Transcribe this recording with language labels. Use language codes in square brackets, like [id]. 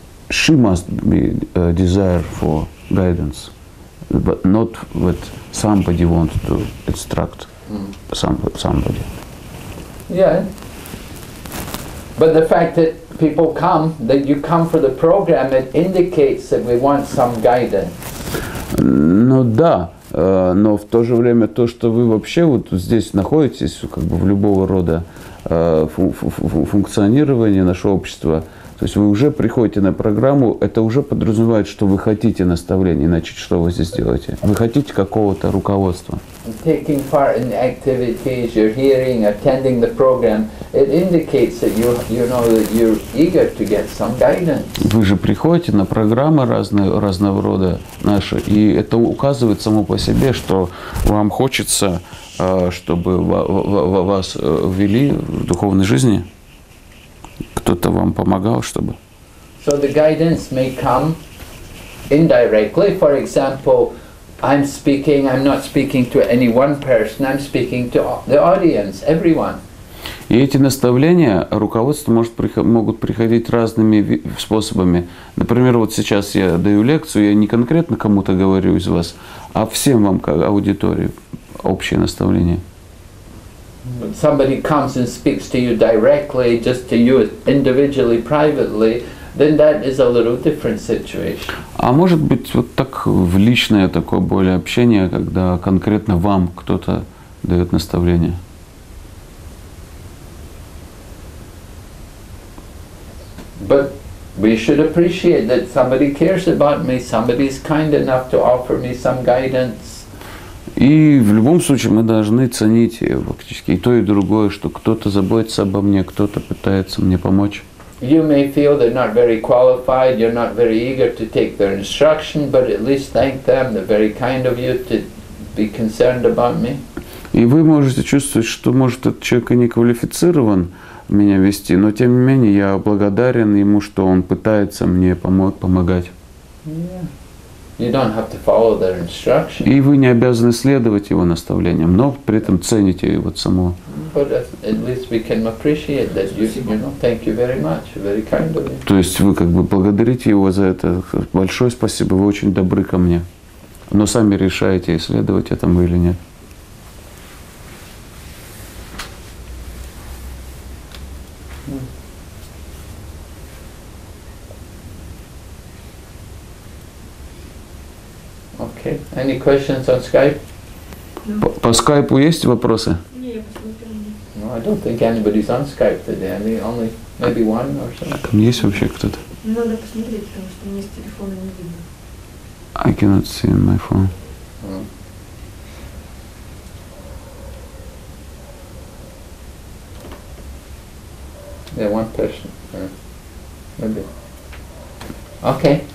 [en] She must be desire for guidance, but not that somebody wants to instruct somebody. Yeah, but the fact that people come, that you come for the program, it indicates that we want some guidance. [ru] Ну да, но в то же время то, что вы вообще вот здесь находитесь, как бы в любого рода функционировании нашего общества, то есть вы уже приходите на программу, это уже подразумевает, что вы хотите наставления, иначе что вы здесь делаете? Вы хотите какого-то руководства. Taking part in activities, you're hearing, attending the program, it indicates that you know that you're eager to get some guidance. Вы же приходите на программы разного рода наши, и это указывает само по себе, что вам хочется, чтобы вас ввели в духовной жизни. Кто-то вам помогал, чтобы? [en] So the guidance may come indirectly. For example, I'm speaking. I'm not speaking to any one person. I'm speaking to the audience, everyone. [ru] И эти наставления руководство могут приходить разными способами. Например, вот сейчас я даю лекцию, я не конкретно кому-то говорю из вас, а всем вам как аудитории общее наставление. [en] Somebody comes and speaks to you directly, just to you individually, privately, then that is a little different situation. [ru] А может быть вот так в личное такое более общение, когда конкретно вам кто-то дает наставление? [en] But we should appreciate that somebody cares about me, somebody is kind enough to offer me some guidance. [ru] И в любом случае мы должны ценить фактически и то, и другое, что кто-то заботится обо мне, кто-то пытается мне помочь. [en] You may feel they're not very qualified, you're not very eager to take their instruction, but at least thank them, they're very kind of you to be concerned about me. [ru] И вы можете чувствовать, что может этот человек и не квалифицирован меня вести, но тем не менее я благодарен ему, что он пытается мне помогать. [en] Yeah. You don't have to follow their instructions. [ru] И вы не обязаны следовать его наставлениям, но при этом цените его само. [en] But at least we can appreciate that you know, thank you very much, very kind of you. [ru] То есть вы как бы благодарите его за это. Большое спасибо, вы очень добры ко мне. Но сами решаете, следовать этому или нет. [en] Any questions on Skype? [ru] По Скайпу есть вопросы? [en] No, I don't think anybody's on Skype today. Only maybe one or something. [ru] Там есть вообще кто-то? Надо посмотреть, потому что у меня с телефона не видно. [en] I cannot see in my phone. Yeah, one person. Maybe. Okay.